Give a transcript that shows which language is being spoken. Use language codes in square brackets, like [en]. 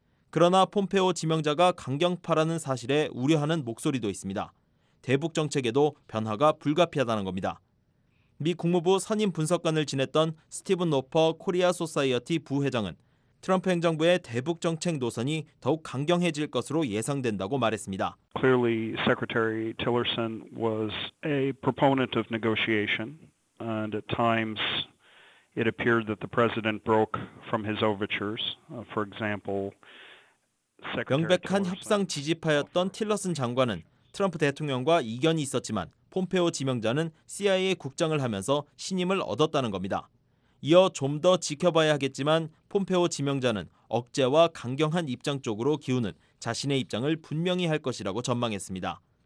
[ko] 그러나 폼페오 지명자가 강경파라는 사실에 우려하는 목소리도 있습니다. 대북 정책에도 변화가 불가피하다는 겁니다. 미 국무부 선임 분석관을 지냈던 스티븐 노퍼 코리아 소사이어티 부회장은 트럼프 행정부의 대북 정책 노선이 더욱 강경해질 것으로 예상된다고 말했습니다. [en] Clearly, Secretary Tillerson was a proponent of negotiation, and at times it appeared that the president broke from his overtures. For example, [ko] 명백한 협상 지지파였던 틸러슨 장관은 트럼프 대통령과 이견이 있었지만 폼페오 지명자는 CIA 국장을 하면서 신임을 얻었다는 겁니다. 이어 좀 더 지켜봐야 하겠지만 폼페오 지명자는 억제와 강경한 입장 쪽으로 기우는 자신의 입장을 분명히 할 것이라고 전망했습니다.